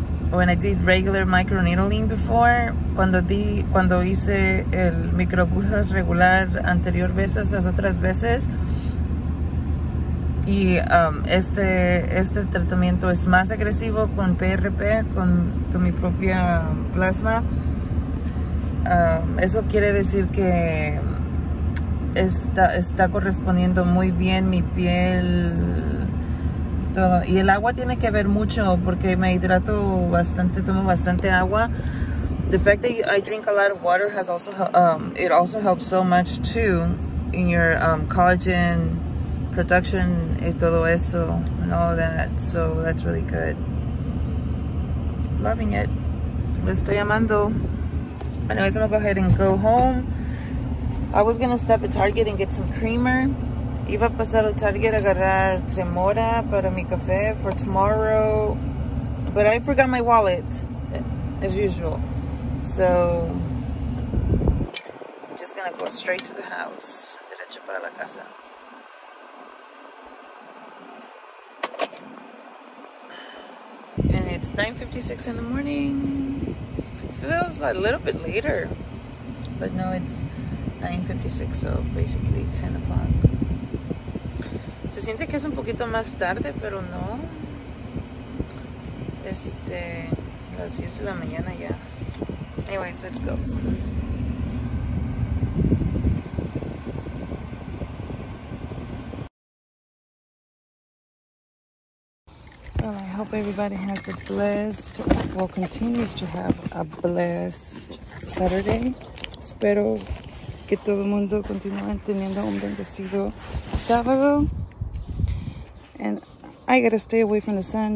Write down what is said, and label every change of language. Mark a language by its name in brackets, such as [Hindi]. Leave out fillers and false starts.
[English] When I did regular microneedling before, [Spanish] cuando hice el microagujas regular anterior veces, las otras veces, y este tratamiento es más agresivo con PRP, con mi propia plasma, eso quiere decir que está correspondiendo muy bien mi piel. Todo. Y el agua tiene que ver mucho porque me hidrato bastante, tomo bastante agua. [English] The fact that I drink a lot of water has also it also helps so much too in your collagen production [Spanish] y todo eso [English] and all that. So that's really good. Loving it. [Spanish] Lo estoy amando. [English] Anyways, I'm gonna go ahead and go home. I was gonna stop at Target and get some creamer. [Spanish] Iba a pasar al Target a agarrar cremora para mi café [English] for tomorrow, but I forgot my wallet, as usual. So I'm just gonna go straight to the house, [Spanish] derecho para la casa. [English] And it's 9:56 in the morning. Feels like a little bit later, but no, it's 9:56, so basically 10 o'clock. [Spanish] Se siente que es un poquito más tarde, pero no. Las 10 de la mañana ya. [English] Anyways, let's go. Well, I hope everybody has a blessed, well, continues to have a blessed Saturday. [Spanish] Espero que todo el mundo continúe teniendo un bendecido sábado. [English] And I gotta stay away from the sun.